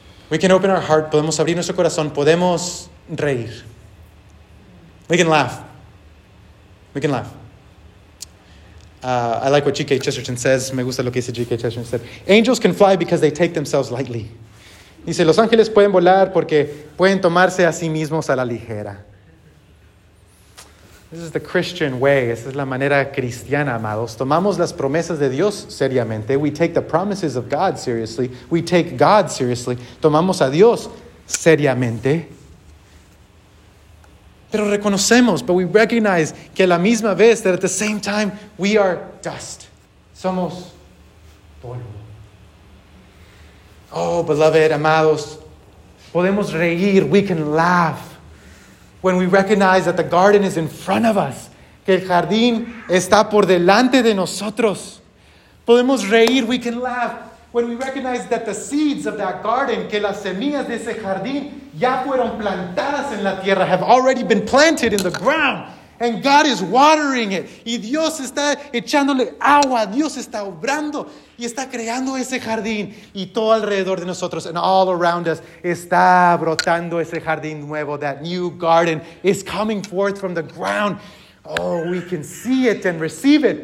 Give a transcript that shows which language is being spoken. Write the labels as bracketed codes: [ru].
[en] We can open our heart. [es] Podemos abrir nuestro corazón. Podemos reír. [en] We can laugh. I like what G.K. Chesterton says. [es] Me gusta lo que dice G.K. Chesterton. [en] Said, angels can fly because they take themselves lightly. [es] Dice, los ángeles pueden volar porque pueden tomarse a sí mismos a la ligera. [en] This is the Christian way. [es] Esa es la manera cristiana, amados. Tomamos las promesas de Dios seriamente. [en] We take the promises of God seriously. We take God seriously. [es] Tomamos a Dios seriamente. Pero reconocemos, [en] but we recognize [es] que a la misma vez, [en] that at the same time, we are dust. [es] Somos polvo. [en] Oh, beloved, [es] amados, podemos reír, [en] we can laugh. When we recognize that the garden is in front of us, [es] que el jardín está por delante de nosotros. Podemos reír, [en] we can laugh. When we recognize that the seeds of that garden, [es] que las semillas de ese jardín, ya fueron plantadas en la tierra, [en] have already been planted in the ground, and God is watering it. [es] Y Dios está echándole agua, Dios está obrando y está creando ese jardín, y todo alrededor de nosotros, [en] and all around us, [es] está brotando ese jardín nuevo. [en] That new garden is coming forth from the ground. Oh, we can see it and receive it.